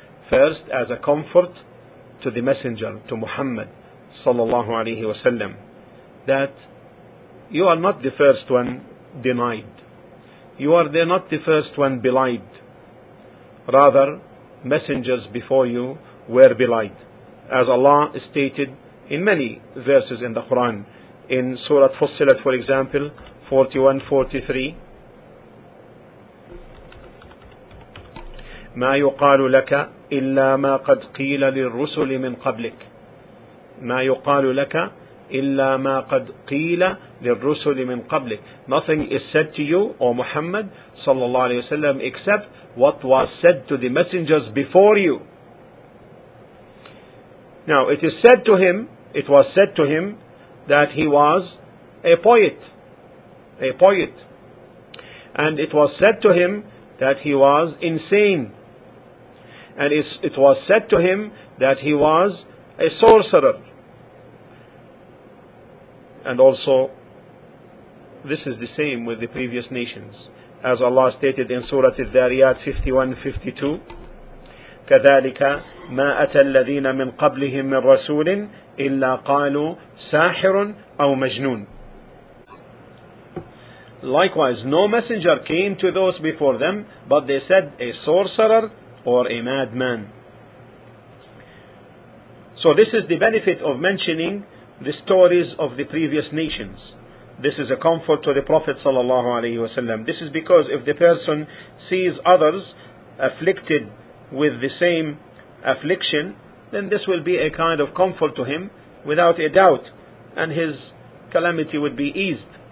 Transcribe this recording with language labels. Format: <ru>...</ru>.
<en>First, as a comfort to the messenger, to Muhammad sallallahu alaihi wasallam, that you are not the first one denied. You are not the first one belied. Rather, messengers before you were belied, as Allah stated in many verses in the Quran. In Surah Fussilat, for example, 41-43,</en> <ar>ما يقال لك إلا ما قد قيل للرسل من قبلك. ما يقال لك إلا ما قد قيل للرسل من قبلك.</ar> <en>Nothing is said to you, O Muhammad</en> <ar>صلى الله عليه وسلم,</ar> <en>except what was said to the messengers before you. Now, it is said to him, it was said to him, that he was a poet. And it was said to him that he was insane. And it was said to him that he was a sorcerer. And also, this is the same with the previous nations. As Allah stated in Surah Al-Dhariyat 51-52,</en> <ar>كذلك ما أتى الذين من قبلهم من رسول إلا قالوا ساحر أو مجنون.</ar> <en>Likewise, no messenger came to those before them, but they said a sorcerer or a madman. So this is the benefit of mentioning the stories of the previous nations. This is a comfort to the Prophet sallallahu alaihi wasallam. This is because if the person sees others afflicted with the same affliction, then this will be a kind of comfort to him without a doubt, and his calamity would be eased.</en>